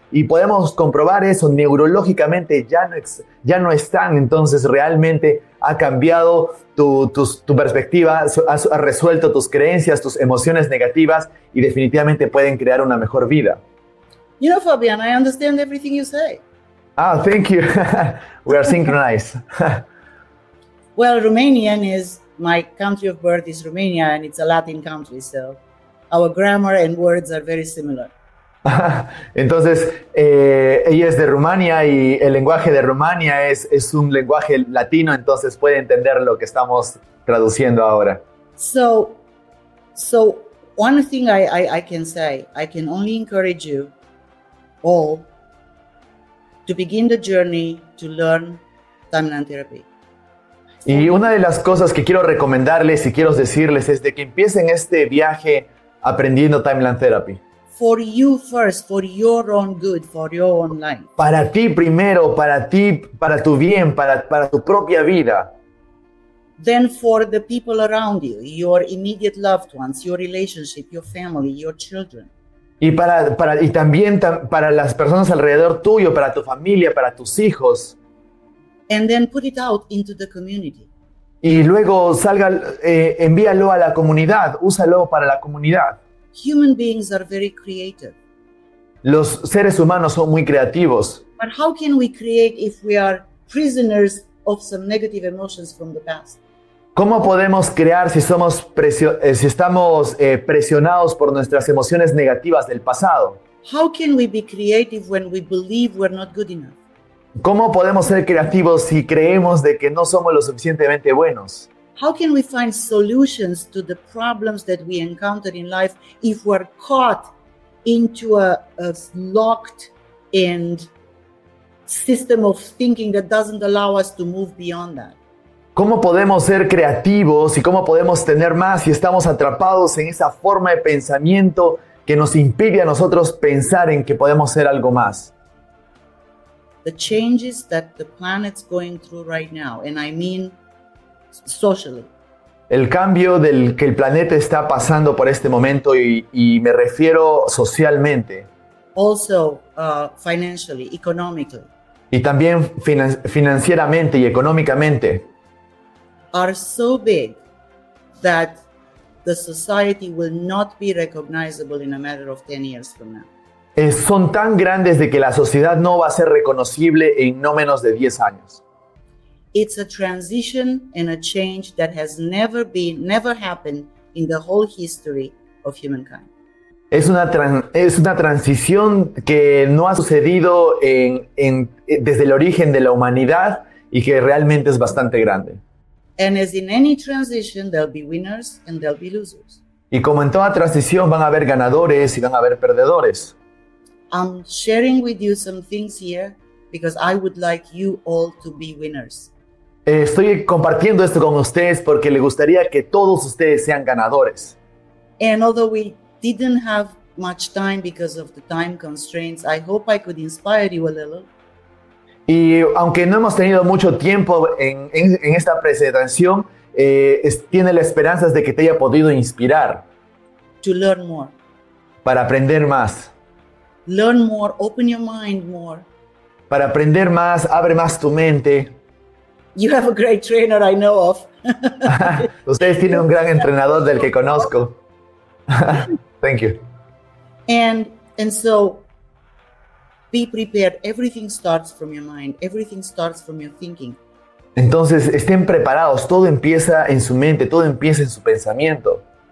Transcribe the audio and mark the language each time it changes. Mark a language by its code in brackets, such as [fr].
[es] Y podemos comprobar eso neurológicamente, ya no están. Entonces realmente ha cambiado tu perspectiva, ha resuelto tus creencias, tus emociones negativas y definitivamente pueden crear una mejor vida. [en] You know, Fabian, I understand everything you say. Ah, thank you. We are synchronized. Well, Romanian is, my country of birth is Romania and it's a Latin country, so our grammar and words are very similar. [es] Entonces, ella es de Rumania y el lenguaje de Rumania es un lenguaje latino, entonces puede entender lo que estamos traduciendo ahora. [en] So one thing I can say, I can only encourage you all to begin the journey to learn Timeline Therapy. [es] Y una de las cosas que quiero recomendarles y quiero decirles es de que empiecen este viaje aprendiendo Timeline Therapy. [en] For you first, for your own good, for your own life. [es] Para ti primero, para ti, para tu bien, para tu propia vida. [en] Then for the people around you, your immediate loved ones, your relationship, your family, your children. [es] Y para las personas alrededor tuyo, para tu familia, para tus hijos. [en] And then put it out into the community. [es] Y luego salga, envíalo a la comunidad, úsalo para la comunidad. [en] Human beings are very creative. [es] Los seres humanos son muy creativos. [en] But how can we create if we are prisoners of some negative emotions from the past? [es] ¿Cómo podemos crear si estamos presionados por nuestras emociones negativas del pasado? [en] How can we be creative when we believe we're not good enough? [es] ¿Cómo podemos ser creativos si creemos de que no somos lo suficientemente buenos? [en] How can we find solutions to the problems that we encounter in life if we're caught into a locked and system of thinking that doesn't allow us to move beyond that? [es] ¿Cómo podemos ser creativos y cómo podemos tener más si estamos atrapados en esa forma de pensamiento que nos impide a nosotros pensar en que podemos ser algo más? [en] The changes that the planet's going through right now, and I mean socially. [es] El cambio del que el planeta está pasando por este momento y me refiero socialmente. [en] Also, financially, economically. [es] Y también financieramente y económicamente. [en] Are so big that the society will not be recognizable in a matter of 10 years from now. [es] Son tan grandes de que la sociedad no va a ser reconocible en no menos de 10 años. [en] It's a transition and a change that has never happened in the whole history of humankind. [es] Es una transición que no ha sucedido desde el origen de la humanidad y que realmente es bastante grande. [en] And as in any transition, there'll be winners and there'll be losers. [es] Y como en toda transición van a haber ganadores y van a haber perdedores. [en] I'm sharing with you some things here because I would like you all to be winners. [es] Estoy compartiendo esto con ustedes porque le gustaría que todos ustedes sean ganadores. [en] And although we didn't have much time because of the time constraints, I hope I could inspire you a little. [es] Y aunque no hemos tenido mucho tiempo en esta presentación, tiene la esperanza de que te haya podido inspirar. [en] To learn more. [es] Para aprender más. [en] Learn more, open your mind more. [es] Para aprender más, abre más tu mente. [en] You have a great trainer I know of. [es] Ustedes tienen un gran entrenador del que conozco. [en] Thank you. And so, be prepared. Everything starts from your mind. Everything starts from your thinking. [es] Entonces, estén preparados. Todo empieza en su mente. Todo empieza en su pensamiento.